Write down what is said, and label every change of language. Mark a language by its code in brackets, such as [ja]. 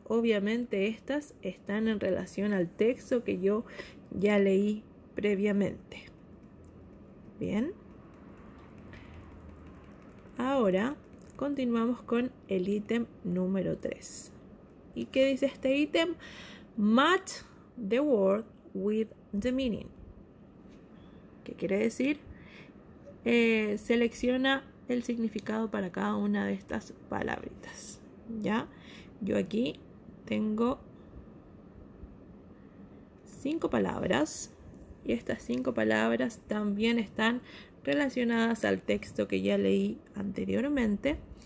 [es] Obviamente, estas están en relación al texto que yo ya leí previamente. Bien. Ahora continuamos con el ítem número 3. ¿Y qué dice este ítem? [en] Match the word with the meaning. [es] ¿Qué quiere decir? Selecciona el significado para cada una de estas palabritas. ¿Ya? Yo aquí tengo 5 palabras y estas 5 palabras también están relacionadas al texto que ya leí anteriormente.